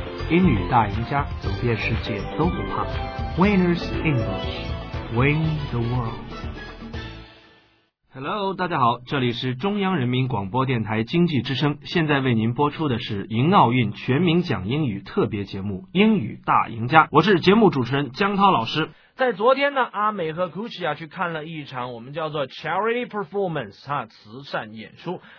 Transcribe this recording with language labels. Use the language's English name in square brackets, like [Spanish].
[Chinese] 英语大赢家，走遍世界都不怕。 [English] Winners English, win the world. [Chinese] Hello, 大家好，这里是中央人民广播电台经济之声，现在为您播出的是迎奥运全民讲英语特别节目《英语大赢家》，我是节目主持人江涛老师。在昨天呢，阿美和 Gucci 啊去看了一场我们叫做 Charity Performance 啊慈善演出。